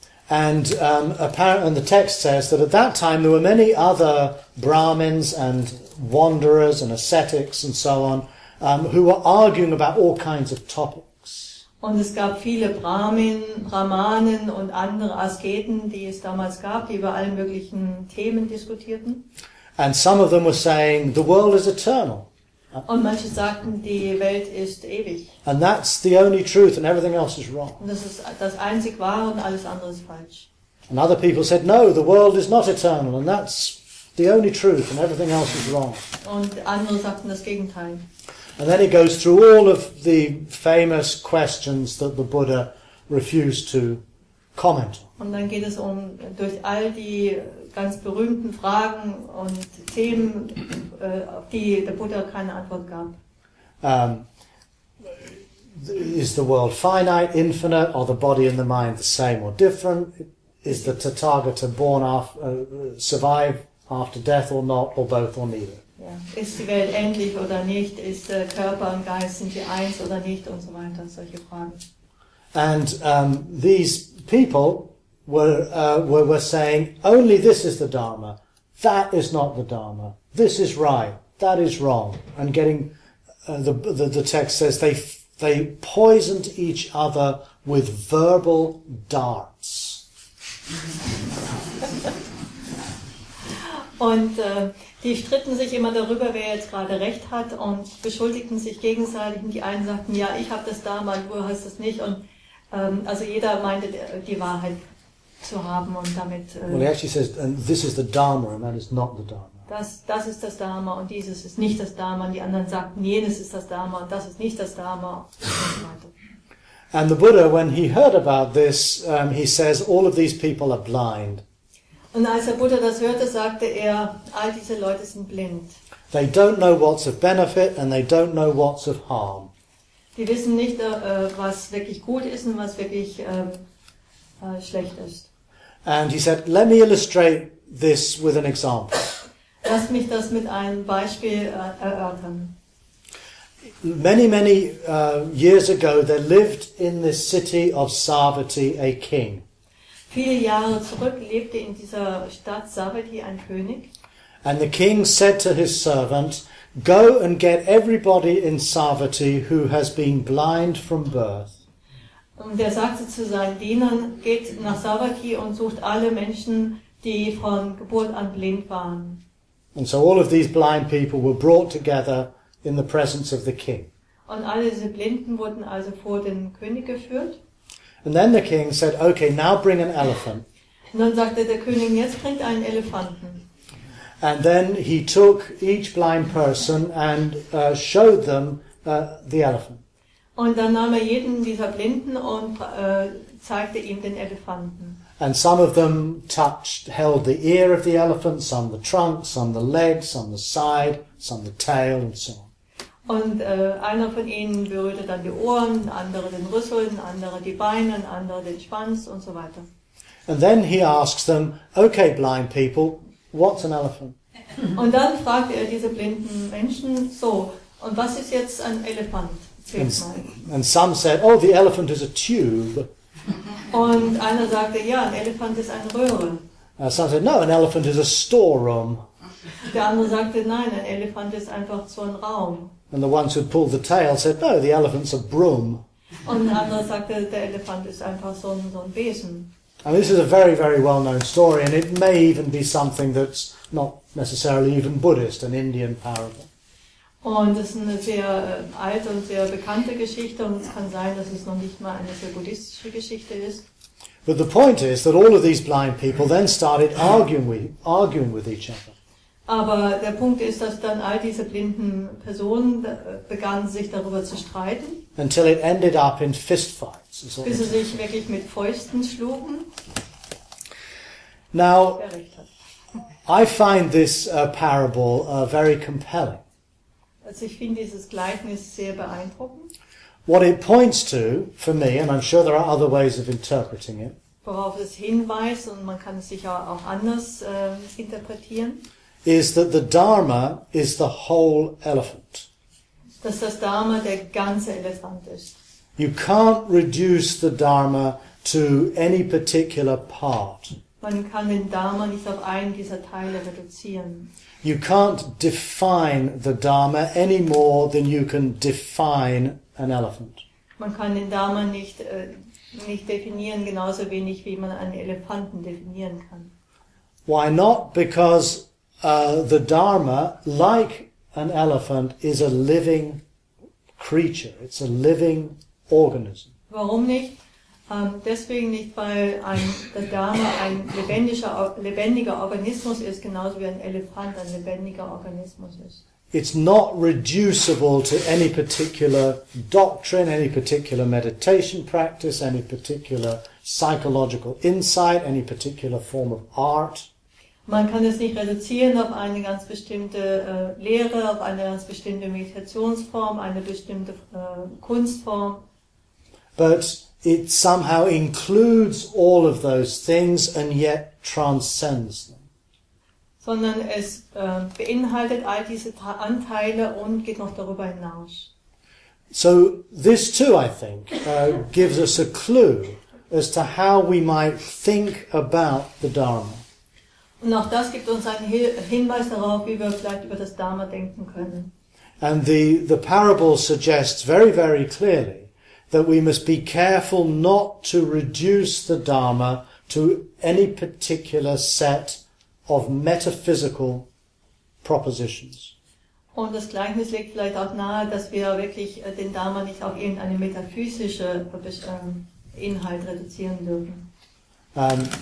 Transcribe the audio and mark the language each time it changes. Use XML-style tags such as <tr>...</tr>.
<en>And the text says that at that time there were many other Brahmins and wanderers and ascetics and so on who were arguing about all kinds of topics.</en> <de>Und es gab viele Brahmanen und andere Asketen, die es damals gab, die über alle möglichen Themen diskutierten.</de> <en>And some of them were saying the world is eternal.</en> <de>Und manche sagten, die Welt ist ewig.</de> <en>And that's the only truth, and everything else is wrong.</en> <de>Und das ist das einzig Wahre und alles andere ist falsch.</de> <en>And other people said, no, the world is not eternal, and that's the only truth, and everything else is wrong.</en> <de>Und andere sagten das Gegenteil.</de> <en>And then he goes through all of the famous questions that the Buddha refused to comment on.</en> <de>Und dann geht es um durch all die ganz berühmten Fragen und Themen, auf die der Buddha keine Antwort gab.</de> <en>Is the world finite, infinite, or the body and the mind the same or different? Is the Tathagata born after, survive after death or not, or both or neither?</en> <de>Ja. Ist die Welt endlich oder nicht? Ist Körper und Geist, sind sie eins oder nicht? Und so weiter, solche Fragen.</de> <en>And these people were saying, only this is the Dharma, that is not the Dharma, this is right, that is wrong. And getting, the text says, they poisoned each other with verbal darts.</en> <de>Und die stritten sich immer darüber, wer jetzt gerade recht hat, und beschuldigten sich gegenseitig. Und die einen sagten, ja, ich habe das Dharma, du hast das nicht. Und also jeder meinte die Wahrheit zu haben und damit.</de> <en>Well, he actually says, and this is the Dharma, and that is not the Dharma.</en> <de>Das ist das Dharma und dieses ist nicht das Dharma. Und die anderen sagten, jenes ist das Dharma und das ist nicht das Dharma.</de> <en>And the Buddha, when he heard about this, he says, all of these people are blind.</en> <de>Und als der Buddha das hörte, sagte er, all diese Leute sind blind.</de> <en>They don't know what's of benefit and they don't know what's of harm.</en> <de>Die wissen nicht, was wirklich gut ist und was wirklich schlecht ist.</de> <en>And he said, let me illustrate this with an example.</en> <de>Lass mich das mit einem Beispiel erörtern.</de> <en>Many, many years ago, there lived in the city of Savatthi a king.</en> <de>Viele Jahre zurück lebte in dieser Stadt Savatthi ein König.</de> <en>And the king said to his servant, go and get everybody in Savatthi who has been blind from birth.</en> <de>Und er sagte zu seinen Dienern, geht nach Savatthi und sucht alle Menschen, die von Geburt an blind waren.</de> <en>And so all of these blind people were brought together in the presence of the king.</en> <de>Und alle diese Blinden wurden also vor den König geführt.</de> <en>And then the king said, okay, now bring an elephant.</en> <de>Und dann sagte der König, jetzt bringt einen Elefanten.</de> <en>And then he took each blind person and showed them the elephant.</en> <de>Und dann nahm er jeden dieser Blinden und zeigte ihm den Elefanten.</de> <en>And some of them held the ear of the elephant, some the trunk, some the legs, some the side, some the tail, and so on.</en> <de>Und einer von ihnen berührte dann die Ohren, andere den Rüssel, andere die Beine, andere den Schwanz und so weiter.</de> <en>And then he asks them, okay, blind people, what's an elephant?</en> <de>Und dann fragte er diese blinden Menschen, so, und was ist jetzt ein Elefant?</de> <en>And some said, oh, the elephant is a tube.</en> <de>Und einer sagte, ja, ein Elefant ist eine Röhre.</de> <en>Some said, no, an elephant is a storeroom.</en> <de>Der andere sagte, nein, ein Elefant ist einfach so ein Raum.</de> <en>And the ones who pulled the tail said, no, the elephant's a broom.</en> <de>Und der andere sagte, der Elefant ist einfach so ein Besen.</de> <en>And this is a very, very well-known story, and it may even be something that's not necessarily even Buddhist, an Indian parable.</en> <de>Und es ist eine sehr alte und sehr bekannte Geschichte und es kann sein, dass es noch nicht mal eine sehr buddhistische Geschichte ist.</de> <en>But the point is that all of these blind people then started arguing with each other.</en> <de>Aber der Punkt ist, dass dann all diese blinden Personen begannen, sich darüber zu streiten.</de> <en>Until it ended up in fistfights.</en> <de>Bis sie sich wirklich mit Fäusten schlugen.</de> <en>Now, I find this parable very compelling.</en> <de>Also ich finde dieses Gleichnis sehr beeindruckend.</de> <en>What it points to, for me, and I'm sure there are other ways of interpreting it,</en> <de>worauf es hinweist, und man kann es sicher auch anders interpretieren,</de> <en>is that the Dharma is the whole elephant.</en> <de>Dass das Dharma der ganze Elefant ist.</de> <en>You can't reduce the Dharma to any particular part.</en> <de>Man kann den Dharma nicht auf einen dieser Teile reduzieren.</de> <en>You can't define the Dharma any more than you can define an elephant.</en> <de>Man kann den Dharma nicht definieren, genauso wenig wie man einen Elefanten definieren kann.</de> <en>Why not? Because the Dharma, like an elephant, is a living creature. It's a living organism.</en> <de>Warum nicht? Deswegen nicht, weil der Dharma ein lebendiger Organismus ist, genauso wie ein Elefant ein lebendiger Organismus ist.</de> <en>It's not reducible to any particular doctrine, any particular meditation practice, any particular psychological insight, any particular form of art.</en> <de>Man kann es nicht reduzieren auf eine ganz bestimmte Lehre, auf eine ganz bestimmte Meditationsform, eine bestimmte Kunstform.</de> <en>But it somehow includes all of those things and yet transcends them.</en> <de>Sondern es beinhaltet all diese Anteile und geht noch darüber hinaus.</de> <en>So this too, I think, gives us a clue as to how we might think about the Dharma.</en> <de>Und auch das gibt uns einen Hinweis darauf, wie wir vielleicht über das Dharma denken können.</de> <en>And the parable suggests very, very clearly that we must be careful not to reduce the Dharma to any particular set of metaphysical propositions.</en> <de>Und das Gleichnis legt vielleicht auch nahe, dass wir wirklich den Dharma nicht auf irgendeine metaphysische Inhalt reduzieren dürfen.</de>